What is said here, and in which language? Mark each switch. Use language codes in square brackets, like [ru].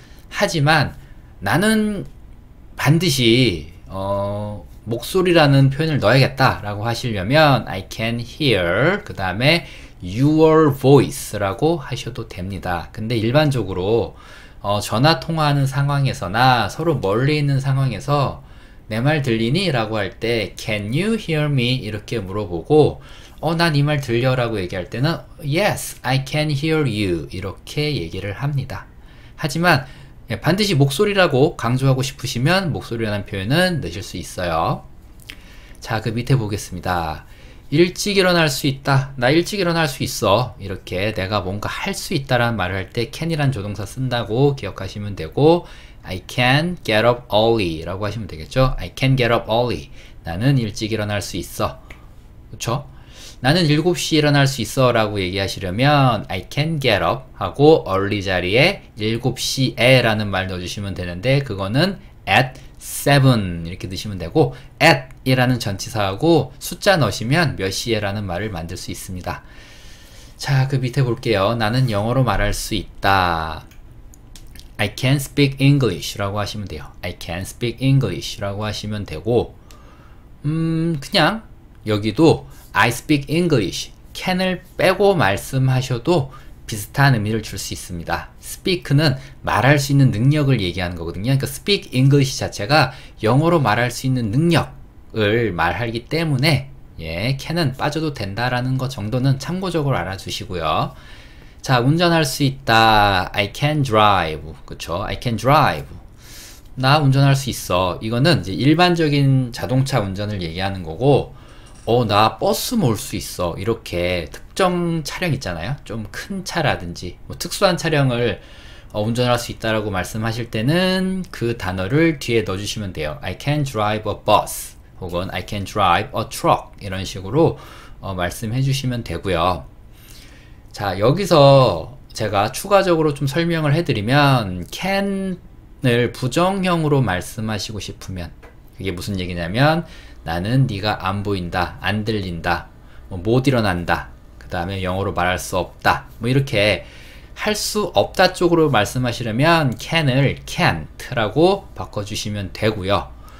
[ko] 하지만 나는 반드시 목소리라는 표현을 넣어야겠다라고 하시려면 [en] I can hear [ko] 그 다음에 [en] your voice [ko] 라고 하셔도 됩니다. 근데 일반적으로 전화 통화하는 상황에서나 서로 멀리 있는 상황에서 내말 들리니? 라고 할 때, [en] Can you hear me? [ko] 이렇게 물어보고, 난이말 들려? 라고 얘기할 때는, [en] Yes, I can hear you. [ko] 이렇게 얘기를 합니다. 하지만, 반드시 목소리라고 강조하고 싶으시면 목소리라는 표현은 넣으실 수 있어요. 자, 그 밑에 보겠습니다. 일찍 일어날 수 있다. 나 일찍 일어날 수 있어. 이렇게 내가 뭔가 할수 있다라는 말을 할때 can이란 조동사 쓴다고 기억하시면 되고, [en] I can get up early [ko] 라고 하시면 되겠죠? [en] I can get up early. [ko] 나는 일찍 일어날 수 있어. 그렇죠? 나는 7시 일어날 수 있어라고 얘기하시려면 [en] I can get up [ko] 하고 early 자리에 7시에라는 말 넣어주시면 되는데, 그거는 [en] at 7 [ko] 이렇게 드시면 되고, at 이라는 전치사하고 숫자 넣으시면 몇 시에라는 말을 만들 수 있습니다. 자, 그 밑에 볼게요. 나는 영어로 말할 수 있다. [en] I can speak English [ko] 라고 하시면 돼요. [en] I can speak English [ko] 라고 하시면 되고, 그냥 여기도 [en] I speak English. [ko] can을 빼고 말씀하셔도 비슷한 의미를 줄수 있습니다. speak는 말할 수 있는 능력을 얘기하는 거거든요. 그러니까 [en] speak English [ko] 자체가 영어로 말할 수 있는 능력을 말하기 때문에, can은 빠져도 된다라는 거 정도는 참고적으로 알아주시고요. 자, 운전할 수 있다. [en] I can drive. 그쵸? I can drive. [ko] 나 운전할 수 있어. 이거는 이제 일반적인 자동차 운전을 얘기하는 거고, 나 버스 몰수 있어. 이렇게 특정 차량 있잖아요. 좀큰 차라든지 뭐 특수한 차량을 운전할 수 있다라고 말씀하실 때는 그 단어를 뒤에 넣어주시면 돼요. [en] I can drive a bus [ko] 혹은 [en] I can drive a truck [ko] 이런 식으로 말씀해 주시면 되고요. 자, 여기서 제가 추가적으로 좀 설명을 해드리면 can을 부정형으로 말씀하시고 싶으면 그게 무슨 얘기냐면 나는 네가 안 보인다, 안 들린다, 뭐못 일어난다, 그 다음에 영어로 말할 수 없다, 뭐 이렇게 할수 없다 쪽으로 말씀하시려면 can을 can't라고 바꿔주시면 되고요.